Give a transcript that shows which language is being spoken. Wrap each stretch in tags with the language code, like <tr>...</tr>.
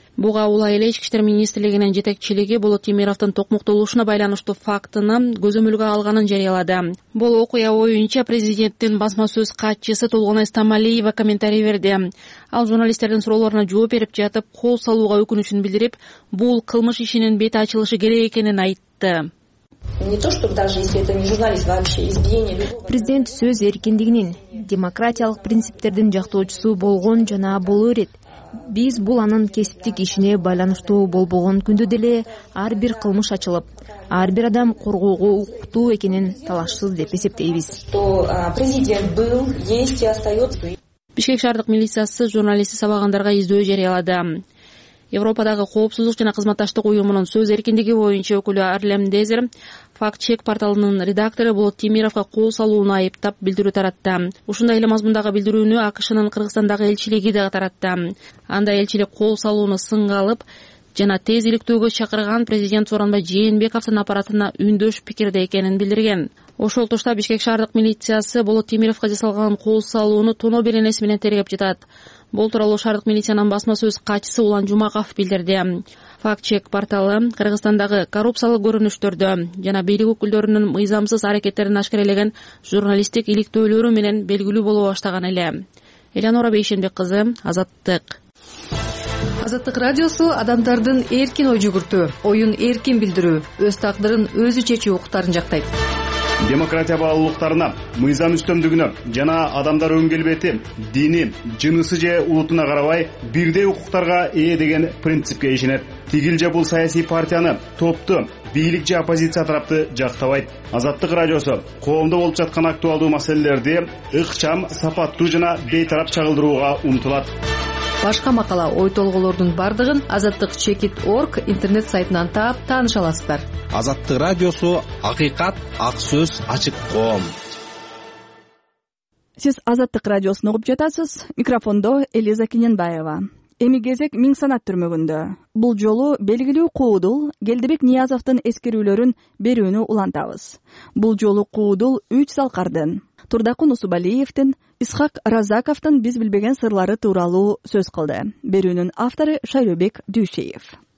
<ky>Буга улай эле ички иштер министрлигинин жетекчилиги Болот Темировдун токмоктолушуна байланыштуу фактыны көзөмөлгө алганын жарыялады. Бул окуя боюнча президенттин басма сөз катчысы Толгонай Стамалиева комментарий берди. Ал журналисттердин суроолоруна жооп берип жатып, кол салууга өкүнүчүн билдирип, бул кылмыш ишинин бети ачылышы керек экенин айтты.</ky> <ru>Не то, чтобы даже если это не журналист, вообще избиение любого...</ru> <ky>Президент сөз эркиндигинин, демократиялык принциптердин жактоочусу болгон жана болуу керек. Биз бул анын кесиптик ишине байланыштуу болбогон күндө деле ар бир кылмыш ачылып, ар бир адам коргоого укуктуу экенин талашсыз деп эсептейбиз.</ky> <ru>Что президент был, есть и остается.</ru> <ky>Бишкек шаардык милициясы журналисти сабагандарга издөө жарыялады. Европадагы коопсуздук жана кызматташтык уюмунун сөз эркиндиги боюнча өкүлү Арлем Дезер факт чек порталынын редактору Болот Темировго кол салууну айыптап билдирүү таратты. Ушундай эле мазмундагы билдирүүнү АКШнын Кыргызстандагы элчилиги да таратты. Анда элчилик кол салууну сынга алып жана тез иликтөөгө чакырган президент Сооронбай Жээнбековдун аппаратына үндөш пикирде экенин билдирген. Ошол тушта Бишкек шаардык милициясы Болот Темировго жасалган кол салууну тоно беренеси менен тергеп жатат. Бул тууралуу шаардык милициянын басма сөз катчысы Улан Жумаков билдирди. Фактчек порталы Кыргызстандагы коррупциялык көрүнүштөрдө жана бийлик өкүлдөрүнүн мыйзамсыз аракеттерин ашкерелеген журналисттик иликтөөлөрү менен белгилүү болуп баштаган эле. Элеонора Бейшенбек кызы, Азаттык. Азаттык радиосу адамдардын эркин ой жүгүртүү, оюн эркин билдирүү, өз тагдырын өзү чечүү укуктарын жактайт. Демократия баалуулуктарына, мыйзам үстөмдүгүнө жана адамдар өңгөлбети, дини, жынысы же улутуна карабай бирдей укуктарга ээ деген принципке ишенет. Тигил же бул саясий партияны, топту, бийлик же оппозиция тарапты жактабайт. Азаттык радиосу коомдо болуп жаткан актуалдуу маселелерди ыкчам, сапаттуу жана бейтарап чагылдырууга умтулат. Башка макала ой толголордун бардыгын азаттык чекит орг интернет сайтынан таап тааныша аласыздар. Азаттык радиосу акыйкат, ак сөз, ачык коом. Сиз Азаттык радиосун угуп жатасыз. Микрофондо Элиза Кененбаева. Эми кезек миң санат түрмөгүндө. Бул жолу белгилүү куудул Келдибек Ниязовдун эскерүүлөрүн берүүнү улантабыз. Бул жолу куудул үч залкардын, Турдакун Усубалиевдин, Исхак Разаковдун биз билбеген сырлары тууралуу сөз кылды. Берүүнүн автору Шайлообек Дүйшеев.</ky>